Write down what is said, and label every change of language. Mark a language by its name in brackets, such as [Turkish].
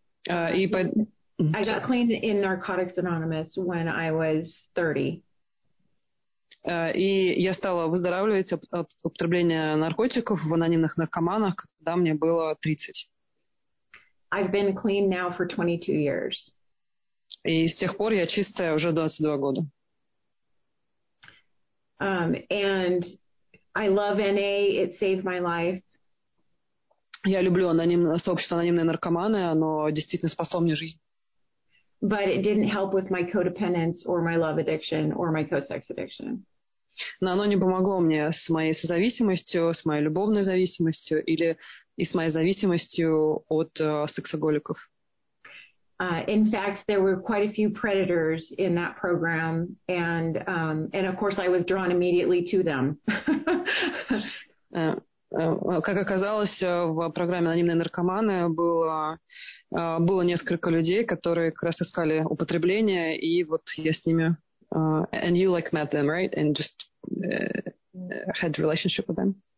[English] I got clean in Narcotics Anonymous when I was 30. [Russian] И я стала выздоравливать от употребления наркотиков в анонимных наркоманах, когда мне было 30. [English] I've been clean now for 22 years. [Russian] И с тех пор я чистая уже 22 года. [English] And I love NA. It saved my life. [Russian] Я люблю анонимное сообщество анонимные наркоманы, оно действительно спасло мне жизнь. [English] But it didn't help with my codependence or my love addiction or my co-sex addiction. [Russian] Но оно не помогло мне с моей созависимостью, с моей любовной зависимостью или и с моей зависимостью от сексоголиков. [English] In fact, there were quite a few predators in that program, and of course I was drawn immediately to them. [Russian] Как оказалось, в программе «Анонимные наркоманы» было несколько людей, которые как раз искали употребление, и вот я с ними... [English] and you, like, met them, right? And just had a relationship with them?